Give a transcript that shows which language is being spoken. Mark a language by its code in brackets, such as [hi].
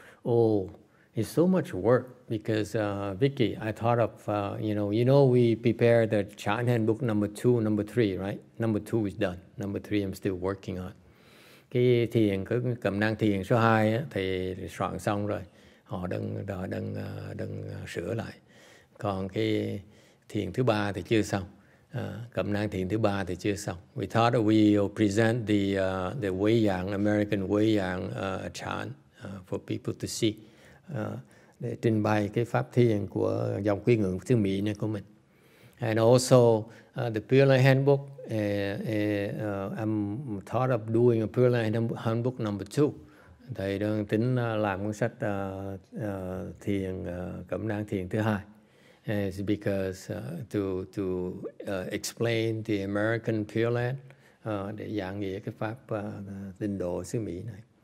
[en] "Oh, it's so much work because Vicky, I thought of you know we prepared the Chan handbook number 2, number 3, right? Number 2 is done. Number 3 I'm still working on." [vi] Cái thiền cái cẩm năng thiền số 2 thì soạn xong rồi. Họ đang sửa lại. Còn cái thiền thứ 3 thì chưa xong. Cẩm năng thiền thứ 3 thì chưa xong. [en] We thought we will present the Wei Yang, American Wei Yang Chan for people to see. [vi] Để trình bày cái pháp thiền của dòng quy ngưỡng thứ Mỹ này của mình. [en] And also the Pure Land Handbook, I'm thought of doing a Pure Land Handbook number 2. [vi] Thầy đang tính làm cuốn sách thiền cẩm năng thiền thứ 2. [en] It's because to explain the American Pure Land, [vi] để giảng nghĩa cái pháp tịnh độ xứ Mỹ này.